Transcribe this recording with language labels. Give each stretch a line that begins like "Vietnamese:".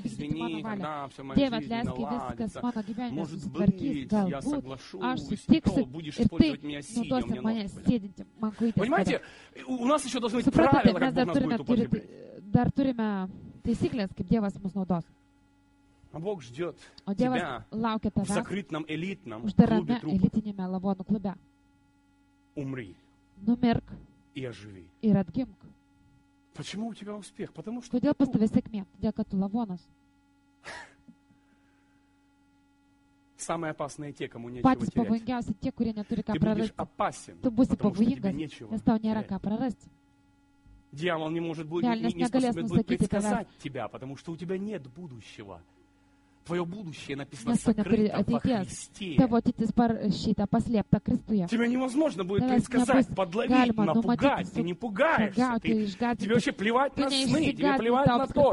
Russian: извини, когда вся моя жизнь наладится. Может быть, я соглашусь, то будешь использовать меня сидя, у меня ног болят. Понимаете, у нас еще должны быть правила, как Бог нас будет употреблять.
Lithuanian: Dar turime taisyklės, kaip Dievas mus naudos.
Russian: Бог ждет
Lithuanian: o Dievas laukia tavęs
Russian: в закрытном элитном клубе трупов.
Lithuanian: Элитиняме лавону клубе.
Russian: Умри.
Lithuanian: Numirk.
Russian: И оживи.
Lithuanian: Ir atgimk.
Russian: Почему у тебя успех? Потому что...
Lithuanian: Kodėl pas tave sėkmė? Todėl, kad tu lavonas.
Russian: Самые опасные те, кому нечего терять.
Lithuanian: Patys pavojingiausi tie, kurie neturi ką
Russian: прорасти. Ты будешь опасен,
Lithuanian: tu būsi pavojingas, nes tau nėra ką
Russian: прорасти. Дьявол не может будет не способен предсказать тебя, потому что у тебя нет будущего. Твое будущее написано сокрыто во Христе. Тебя невозможно будет предсказать, подловить, напугать. Ты не пугаешься. Тебе вообще плевать на сны, тебе плевать на то.